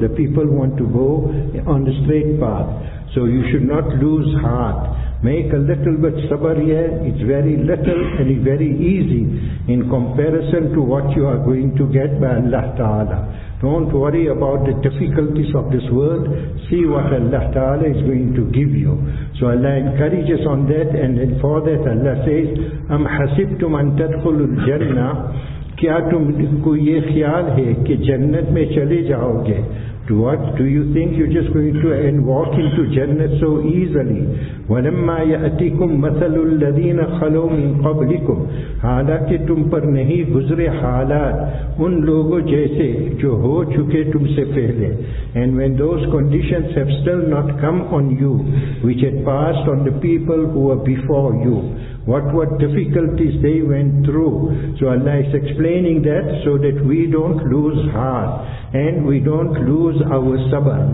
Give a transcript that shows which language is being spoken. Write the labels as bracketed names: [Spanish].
[English] The people want to go on the straight path. So you should not lose heart. Make a little bit sabr here. It's very little and very easy in comparison to what you are going to get by Allah Ta'ala. Don't worry about the difficulties of this world. See what Allah Ta'ala is going to give you. So Allah encourages on that, and then for that Allah says, [Arabic] أَمْ حَسِبْتُمْ أَنْ تَدْخُلُ الْجَنَّةِ [Urdu] کیا تم کو یہ خیال ہے کہ جنت میں چلے جاؤ گے. [English] What do you think? You're just going to walk into Jannah so easily. [Arabic] وَلَمَّا يَأْتِكُمْ مَثَلُ الَّذِينَ خَلَوْ مِنْ قَبْلِكُمْ [Urdu] حَالَكِ تُمْ پر نہیں گزرے حالات ان لوگوں جیسے جو ہو چکے تم سے پہلے. [English] And when those conditions have still not come on you, which had passed on the people who were before you, what difficulties they went through. So Allah is explaining that so that we don't lose heart and we don't lose our sabr.